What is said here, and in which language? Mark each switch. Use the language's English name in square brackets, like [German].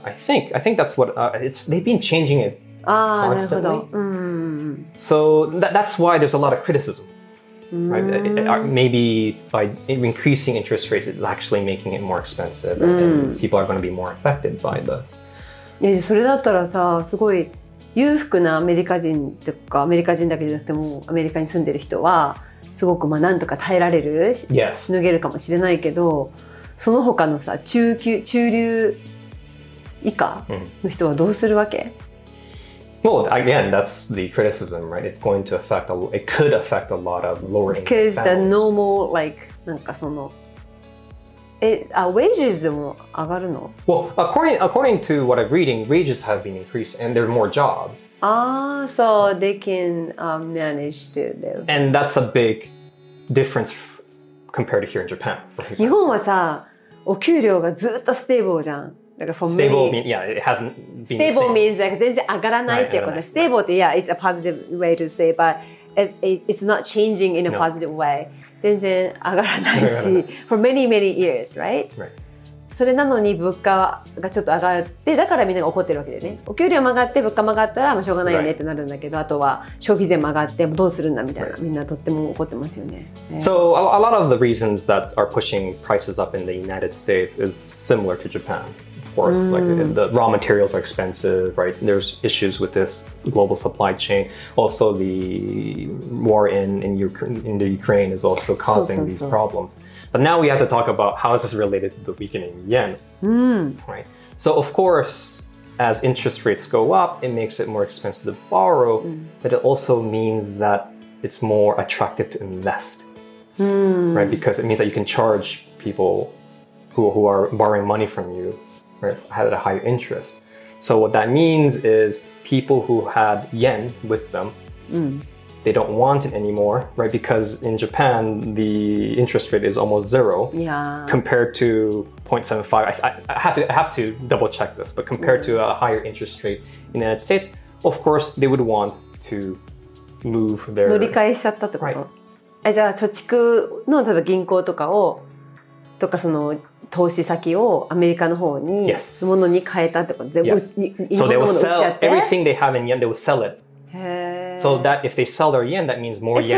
[English] I think that's what...、it's, they've been changing it constantly. [Japanese] あー、なるほど。 [English] So that's why there's a lot of criticism. Right? Maybe by increasing interest rates, it's actually making it more expensive, and people are going to be more affected by this. [Japanese] Yeah, それだったらさ、すごい裕福なアメリカ人とかアメリカ人だけじゃなくてもアメリカに住んでる人はすごくまあなんとか耐えられる、 [English] yes. [Japanese] しのげるかもしれないけど、その他のさ中流以下の人はどうするわけ？ [English] Well, again, that's the criticism, right? It's going to affect, it could affect a lot of lower income families. Because the normal, like, [Japanese] なんかその、Wages も上がるの? [English] Well, according to what I'm reading, wages have been increased and there are more jobs. Ah, so they can manage to live. And that's a big difference compared to here in Japan. [Japanese] 日本はさ、お給料がずっとステーブルじゃん。 [English] Like、for stable many, mean, yeah, it hasn't been stable Means like [Japanese] 全然上がらないっていうこと。 [English] Stable って、yeah, it's a positive way to say, but it's not changing in a positive way. [Japanese] 全然上がらないし、 [English] for many, many years, right? Right. [Japanese] それなのに物価がちょっと上がって、だからみんなが怒ってるわけでね。お給料も上がって、物価も上がったら、まあ、しょうがないよねってなるんだけど、あとは消費税も上がって、どうするんだみたいな、みんなとっても怒ってますよね。 [English] So, a lot of the reasons that are pushing prices up in the United States is similar to Japan. Of course, like the raw materials are expensive, right? There's issues with this global supply chain. Also, the war in the Ukraine is also causing these problems. But now we have to talk about how is this related to the weakening yen, right? So of course, as interest rates go up, it makes it more expensive to borrow, but it also means that it's more attractive to invest, right? Because it means that you can charge people who are borrowing money from you, right, at a higher interest. So what that means is people who had yen with them, they don't want it anymore, right? Because in Japan, the interest rate is almost zero compared to 0.75. I have to double check this, but compared to a higher interest rate in the United States, of course, they would want to move their... [Japanese] 乗り換えしちゃったってこと? [English] Right. [Japanese] じゃあ、貯蓄の例えば銀行とかを、とかその投資先をアメリカの方に、ものに変えたってこと? [English] Yes. [Japanese] 日本のものを売っちゃって? [English] So they will sell everything they have in yen, they will sell it. So that if they sell their yen, that means more yen